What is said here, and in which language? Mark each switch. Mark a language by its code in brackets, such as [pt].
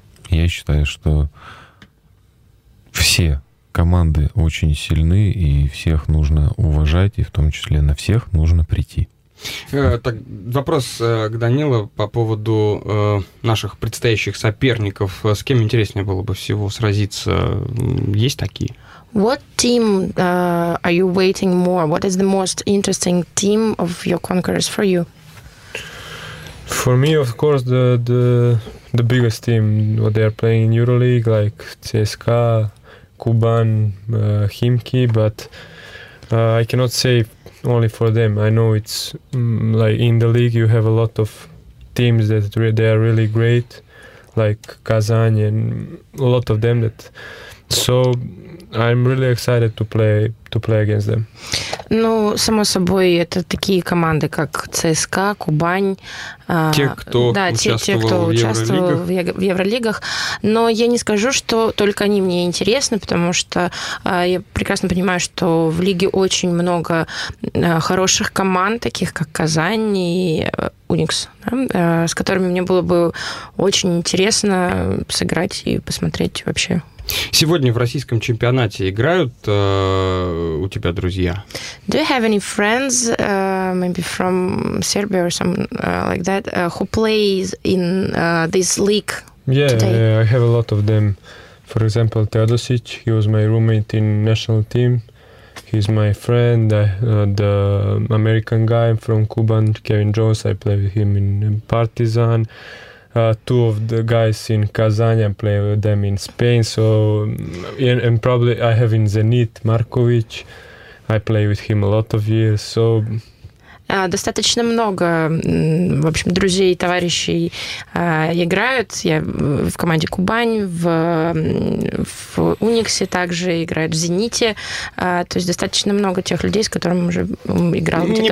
[ru] Я считаю, что все команды очень сильны, и всех нужно уважать, и в том числе на всех нужно прийти. Так, вопрос к Данилу по поводу наших предстоящих соперников. С кем интереснее было бы всего сразиться? Есть такие? [en] What team are you waiting more? What is the most interesting team of your conquerors for you? For me, of course, the biggest team what they are playing in EuroLeague, like CSKA, Kuban, Himki, but I cannot say only for them. I know it's like in the league you have a lot of teams that they are really great, like Kazan and a lot of them that. So I'm really excited to play against them. [ru] Ну, само собой, это такие команды, как ЦСКА, Кубань. Те, кто участвовал в Евролигах. Но я не скажу, что только они мне интересны, потому что я прекрасно понимаю, что в лиге очень много хороших команд, таких как Казань и Уникс, да, с которыми мне было бы очень интересно сыграть и посмотреть вообще. Сегодня в российском чемпионате играют у тебя друзья? [en] Do you have any friends, maybe from Serbia or some like that, who plays in this league? Yeah, today? Yeah, I have a lot of them. For example, Teodosic, he was my roommate in national team. He's my friend, the American guy from Kuban, Kevin Jones. I play with him in Partizan. Two of the guys in Kazan, I play with them in Spain. So, and probably I have in Zenit Markovic. I play with him a lot of years. So, [ru] Достаточно много, в общем, друзей и товарищей играют. Я в команде Кубань, в Униксе также играют, в Зените. То есть достаточно много тех людей, с которыми уже играл где-то